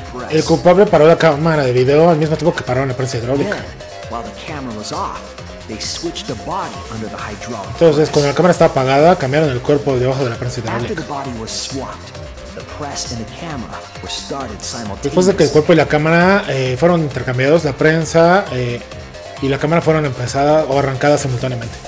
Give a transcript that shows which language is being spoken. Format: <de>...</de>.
<es>El culpable paró la cámara de video al mismo tiempo que pararon la prensa hidráulica.</es> <en>while the camera was off, they switched the body under the hydraulic.</en> <es>Entonces, cuando la cámara estaba apagada, cambiaron el cuerpo debajo de la prensa hidráulica.</es> <en>After the body was swapped, the press and the camera were started simultaneously.</en> <es>Después de que el cuerpo y la cámara fueron intercambiados, la prensa y la cámara fueron empezadas o arrancadas simultáneamente.</es>